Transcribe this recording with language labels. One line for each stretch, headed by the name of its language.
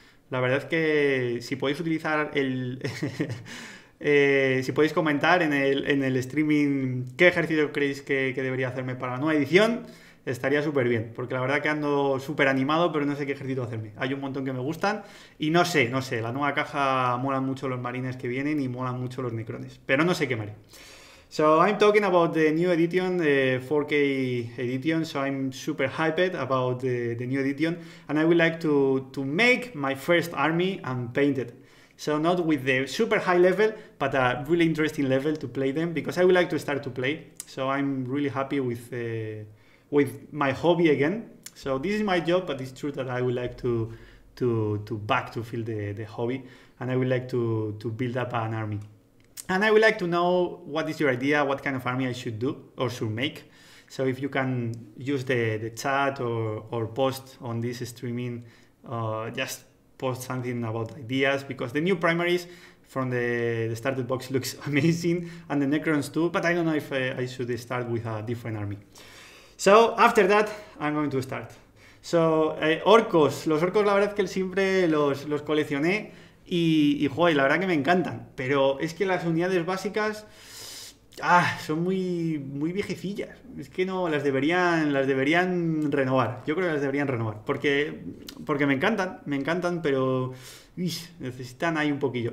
Spanish: La verdad es que si podéis utilizar si podéis comentar en el streaming qué ejercicio creéis que debería hacerme para la nueva edición, estaría súper bien. Porque la verdad que ando súper animado, pero no sé qué ejercicio hacerme. Hay un montón que me gustan y no sé. La nueva caja mola mucho los marines que vienen y mola mucho los necrones. Pero no sé qué haré.
English: So I'm talking about the new edition, the 4K edition, so I'm super hyped about the new edition, and I would like to make my first army and paint it. So not with the super high level, but a really interesting level to play them, because I would like to start to play. So I'm really happy with my hobby again. So this is my job, but it's true that I would like to back to fill the hobby, and I would like to build up an army. And I would like to know what is your idea, what kind of army I should do or should make. So if you can use the chat or post on this streaming, just post something about ideas, because the new primaries from the started box looks amazing, and the Necrons too, but I don't know if I should start with a different army. So after that, I'm going to start.
Spanish: So orcos, los orcos la verdad que siempre los coleccioné. Y joder, la verdad que me encantan, pero es que las unidades básicas son muy, muy viejecillas. Es que no, las deberían renovar. Yo creo que las deberían renovar, porque me encantan, pero necesitan ahí un poquillo.